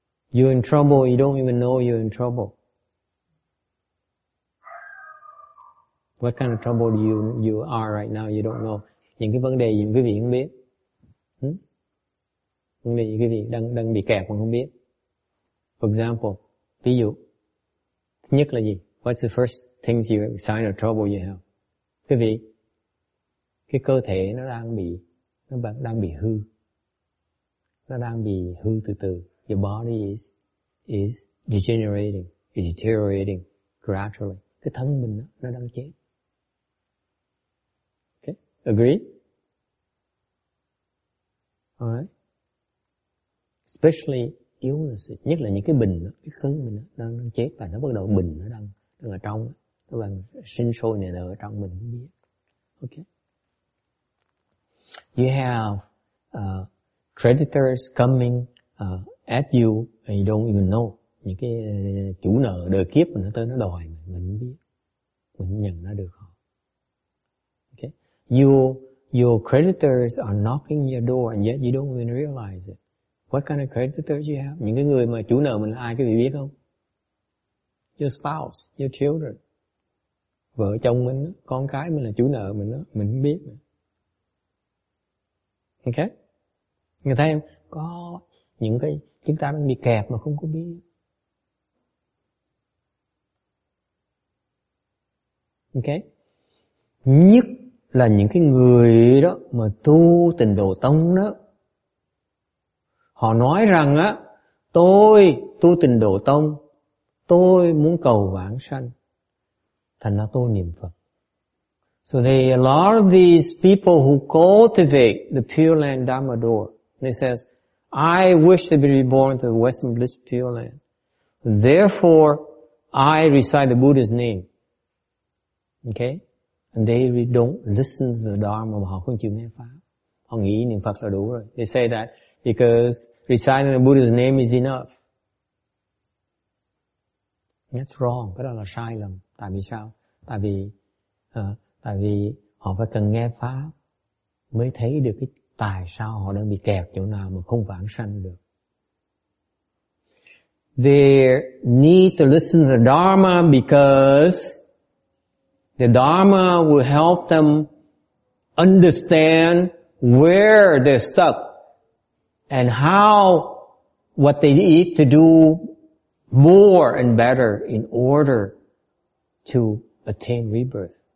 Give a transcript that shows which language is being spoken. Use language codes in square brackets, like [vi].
[en] You're in trouble, you don't even know you're in trouble. What kind of trouble do you are right now? You don't know. [vi] Những cái vấn đề gì quý vị không biết? Vấn đề gì quý vị đang bị kẹt mà không biết? [en] For example, [vi] ví dụ, thứ nhất là gì? [en] What's the first thing you sign of trouble you have? [vi] Quý vị, cái cơ thể nó đang bị hư. Nó đang bị hư từ từ. [en] Your body is degenerating, is deteriorating gradually. [vi] Cái thân mình nó đang chết. [en] Agree? Alright. Especially illnesses, [vi] nhất là những cái bình, cái cơn mình đang chết và nó bắt đầu bình nó đang đang ở trong, tức là sinh sôi nảy nở ở trong mình không biết. [en] Ok. You have creditors coming at you and you don't even know. [vi] Những cái chủ nợ đời kiếp mình nó tới nó đòi mình không biết, mình nhận nó được họ. [en] Ok. Your creditors are knocking your door and yet you don't even realize it. What kind of creditors you have? [vi] Những cái người mà chủ nợ mình là ai, cái gì biết không? [en] Your spouse, your children. [vi] Vợ chồng mình, con cái mình là chủ nợ mình đó, mình không biết. Ok? Người thấy không? Có những cái chúng ta đang bị kẹt mà không có biết. Ok? Nhất là những cái người đó mà tu tịnh độ tông đó, họ nói rằng á, tôi tu tịnh độ tông, tôi muốn cầu vãng sanh, thành ra tôi niệm Phật. [en] So they, a lot of these people who cultivate the Pure Land Dharma Door, they says, I wish to be reborn to the Western Bliss Pure Land. Therefore, I recite the Buddha's name. Okay? And they don't listen to the Dharma, [vi] mà họ không chịu nghe Pháp. Họ nghĩ niệm Phật là đủ rồi. [en] They say that because reciting the Buddha's name is enough. That's wrong. [vi] Cái đó là sai lầm. Tại vì sao? Tại vì họ phải cần nghe Pháp mới thấy được cái tại sao họ đang bị kẹt chỗ nào mà không vãng sanh được. [en] They need to listen to the Dharma because the Dharma will help them understand where they're stuck and how what they need to do more and better in order to attain rebirth.